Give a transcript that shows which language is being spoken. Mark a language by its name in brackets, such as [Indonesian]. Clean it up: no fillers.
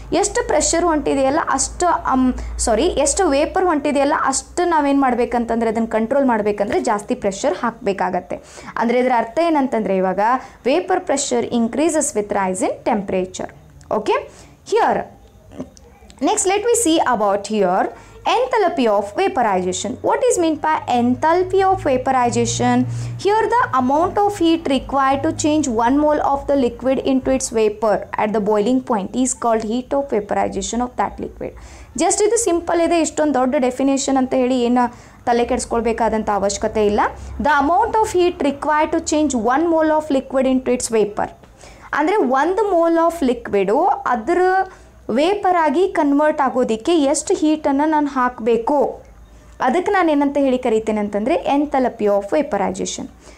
[Kannada] ಎಷ್ಟು ಪ್ರೆಷರ್ ಹೊಂಟಿದೆಯಲ್ಲ ಅಷ್ಟು ಎಷ್ಟು ವೇಪರ್ ಹೊಂಟಿದೆಯಲ್ಲ ಅಷ್ಟು ನಾವೇನು ಮಾಡಬೇಕಂತಂದರೆ ಅದನ್ನು ಕಂಟ್ರೋಲ್ ಮಾಡಬೇಕಂದ್ರೆ ಜಾಸ್ತಿ ಪ್ರೆಷರ್ ಹಾಕಬೇಕಾಗತ್ತೆ. ಅಂದರೆ ಇದರ ಅರ್ಥ ಏನಂತಂದರೆ ಇವಾಗ [English] Vapour pressure increases with rise in temperature. Okay, here next let we see about here enthalpy of vaporization. What is meant by enthalpy of vaporization? Here the amount of heat required to change 1 mole of the liquid into its vapor at the boiling point is called heat of vaporization of that liquid. [Kannada] Just idu simple ide ishtond dodda definition anta heli ena ತಲೆ ಕೆಡಿಸ್ಕೊಳ್ಬೇಕಾದಂಥ ಅವಶ್ಯಕತೆ ಇಲ್ಲ. [English] the amount of heat require to change 1 mole of liquid into its vapour, [Kannada] ಅಂದರೆ 1 mole of liquid ಅದರ ವೇಪರಾಗಿ convert ಆಗೋದಕ್ಕೆ ಎಷ್ಟು ಹೀಟನ್ನು ನಾನು ಹಾಕಬೇಕು, ಅದಕ್ಕೆ ನಾನು ಏನಂತ ಹೇಳಿ ಕರಿತೇನೆ ಅಂತಂದರೆ ಎಂಥಾಲ್ಪಿ ಆಫ್ ವೇಪರೈಜೇಷನ್.